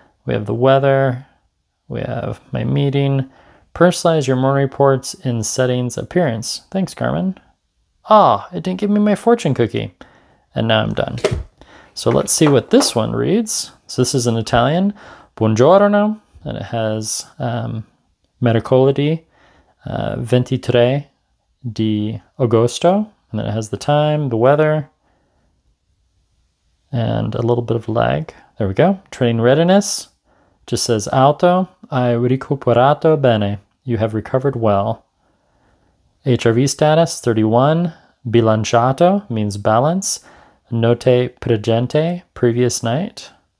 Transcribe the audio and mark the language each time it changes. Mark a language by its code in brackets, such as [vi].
[en] We have the weather. We have my meeting. Personalize your morning reports in settings appearance. Thanks, Garmin. Ah, it didn't give me my fortune cookie. And now I'm done. So let's see what this one reads. So this is in Italian. [it] Buongiorno. [en] And it has [it] mercoledì 23 di agosto. [en] And then it has the time, the weather, and a little bit of lag. There we go. Training readiness. Just says alto. [it] Hai recuperato bene. [en] You have recovered well. HRV status, 31. Bilanciato means balance. [it] Note pregente, [en] previous night.